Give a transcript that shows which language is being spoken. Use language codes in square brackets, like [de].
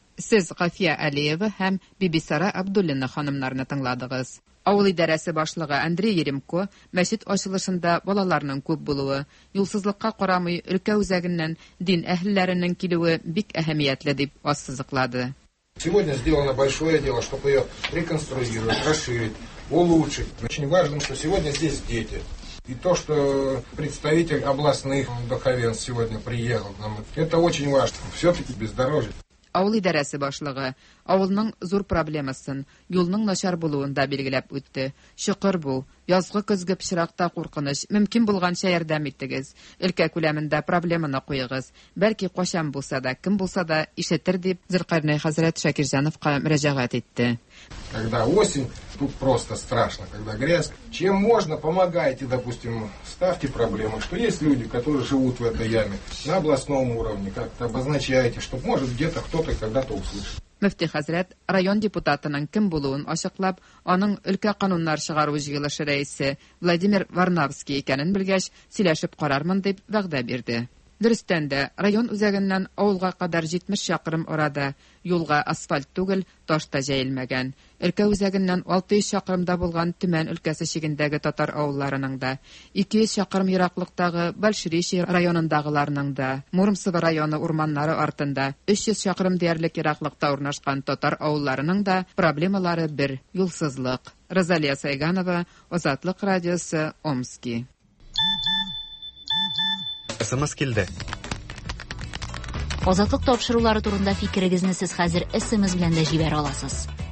[tt] Сез Гафия Алиева һәм Биби Сара Абдуллина ханымнарны тыңладыгыз. Авыл идарәсе башлыгы Андрей Еремко мәчет ачылышында балаларның күп булуы, юлсызлыкка карамый өлкә үзәгеннән дин әһелләренең килүе бик әһәмиятле дип ассызыклады. [ru] Сегодня сделано большое дело, чтобы ее реконструировать, расширить, улучшить. Очень важно, что сегодня здесь дети. И то, что представитель областных духовенств сегодня приехал к нам, это очень важно. Все-таки бездорожье. [tt] ауыл идарәсе башлыгы авылның зур проблемасын, юлның начар булуын да билгеләп үтте. Шөкер бу, язгы көзге пишракта куркыныч, мөмкин булганча ярдәм иттегез. Өлкә күләмендә проблеманы куегыз. Бәлки кашан булса да, кем булса да ишетер дип Зиркарнай хәзрәт Шакирҗановка мөрәҗәгать итте. [ru] Когда осень, тут просто страшно, когда грязь. Чем можно, помогайте, допустим, ставьте проблемы, что есть люди, которые живут в этой яме на областном уровне, как-то обозначаете, чтоб, может, где-то кто-то когда-то услышал. [tt] Мөфти хәзрәт район депутатының кем булуын ачыклап, аның өлкә кануннар чыгару җыелышы рәисе Владимир Варнавский икәнен белгәч, сөйләшеп карармын дип вәгъдә бирде. Дөрестән дә, район үзәгеннән авылга кадәр 70 чакрым арада юлга асфальт түгел, таш та җәелмәгән. Өлкә үзәгеннән 600 чакрымда булган Төмән өлкәсе чигендәге татар авылларының да, 200 чакрым ераклыктагы Большерещи районындагыларның да, Муромцево районы урманнары артында 300 чакрым диярлек ераклыкта урнашкан татар авылларының да проблемалары бер – юлсызлык. Розалия Сайганова, Азатлык радиосы, Омски. СМС килде. Азатлык тапшырулары турында фикерегезне сез хәзер СМС белән дә җибәрә аласыз.